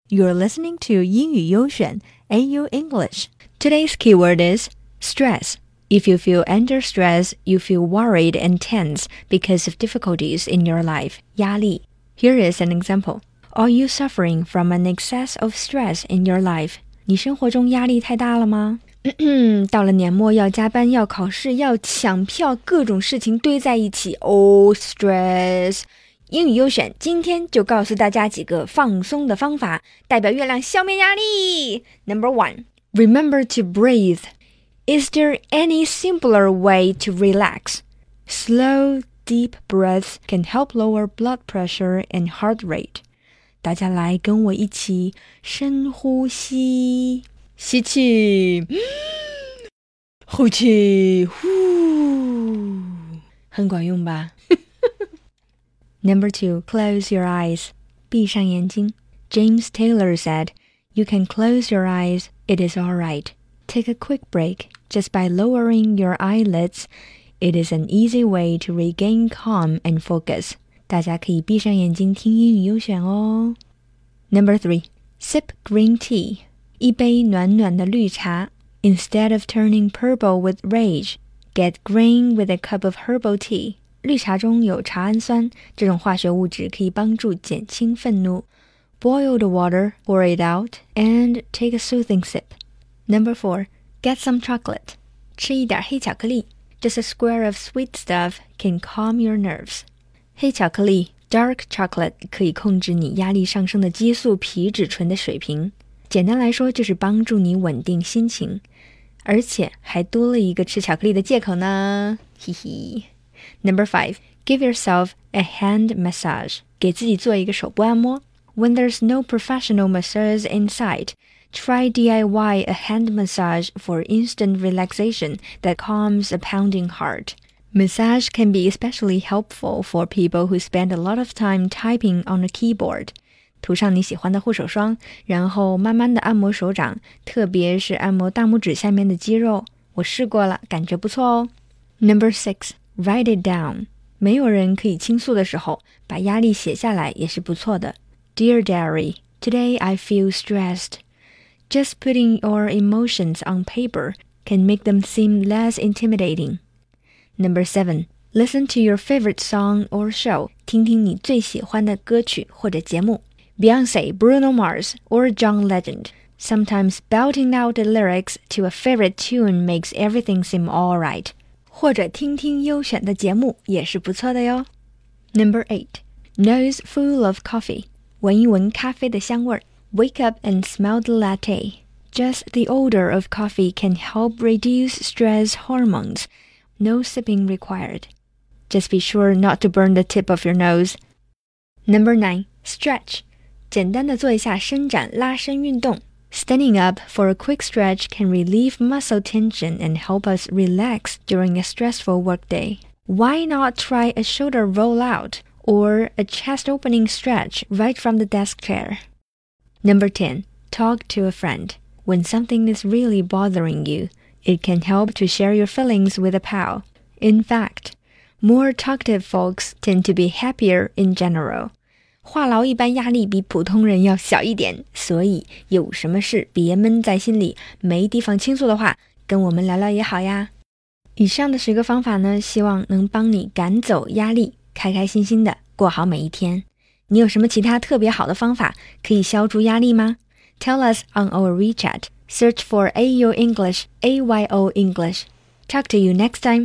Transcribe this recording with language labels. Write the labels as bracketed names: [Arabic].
[English] You're listening to 英语优选 AU English. Today's keyword is stress. If you feel under stress, you feel worried and tense because of difficulties in your life, 压力. Here is an example. Are you suffering from an excess of stress in your life? [Chinese] 你生活中压力太大了吗？到了年末要加班要考试要抢票各种事情堆在一起 stress 英语优选今天就告诉大家几个放松的方法代表月亮消灭压力 [English] Number one Remember to breathe Is there any simpler way to relax? Slow, deep breaths can help lower blood pressure and heart rate [Chinese] 大家来跟我一起深呼吸吸气，呼气，呼，很管用吧？ [English] Number two, close your eyes. [Chinese] 闭上眼睛。 [English] James Taylor said, "You can close your eyes. It is all right. Take a quick break. Just by lowering your eyelids, it is an easy way to regain calm and focus." [Chinese] 大家可以闭上眼睛听英语优选哦。 [English] Number three, sip green tea. [Chinese] 一杯暖暖的绿茶 [English] Instead of turning purple with rage, get green with a cup of herbal tea. [Chinese] 绿茶中有茶氨酸，这种化学物质可以帮助减轻愤怒。 [English] Boil the water, pour it out, and take a soothing sip. Number four, get some chocolate. [Chinese] 吃一点黑巧克力。 [English] Just a square of sweet stuff can calm your nerves. [Chinese] 黑巧克力 dark chocolate 可以控制你压力上升的激素皮质醇的水平。简单来说就是帮助你稳定心情而且还多了一个吃巧克力的借口呢嘻嘻 [English] Number five, give yourself a hand massage [Chinese] 给自己做一个手部按摩 [English] When there's no professional masseuse in sight Try DIY a hand massage for instant relaxation that calms a pounding heart Massage can be especially helpful for people who spend a lot of time typing on a keyboard [Chinese] 涂上你喜欢的护手霜，然后慢慢的按摩手掌，特别是按摩大拇指下面的肌肉。我试过了，感觉不错哦。 [English] Number six, write it down. [Chinese] 没有人可以倾诉的时候，把压力写下来也是不错的。 [English] Dear Diary, today I feel stressed. Just putting your emotions on paper can make them seem less intimidating. Number seven. Listen to your favorite song or show. [Chinese] 听听你最喜欢的歌曲或者节目。 [English] Beyonce, Bruno Mars, or John Legend. Sometimes belting out the lyrics to a favorite tune makes everything seem all right. [Chinese] 或者听听优选的节目也是不错的哟。 [English] Number 8. Nose full of coffee. [Chinese] 闻一闻咖啡的香味。 [English] Wake up and smell the latte. Just the odor of coffee can help reduce stress hormones. No sipping required. Just be sure not to burn the tip of your nose. Number 9. Stretch. [Chinese] 简单的做一下伸展拉伸运动。 [English] Standing up for a quick stretch can relieve muscle tension and help us relax during a stressful workday. Why not try a shoulder roll out or a chest opening stretch right from the desk chair? Number 10. Talk to a friend. When something is really bothering you,It can help to share your feelings with a pal. In fact, more talkative folks tend to be happier in general. [Chinese] 话痨一般压力比普通人要小一点，所以有什么事别闷在心里，没地方倾诉的话，跟我们聊聊也好呀。以上的十个方法呢，希望能帮你赶走压力，开开心心的过好每一天。你有什么其他特别好的方法可以消除压力吗？ [English] Tell us on our WeChat. Search for AU English, AYO English. Talk to you next time.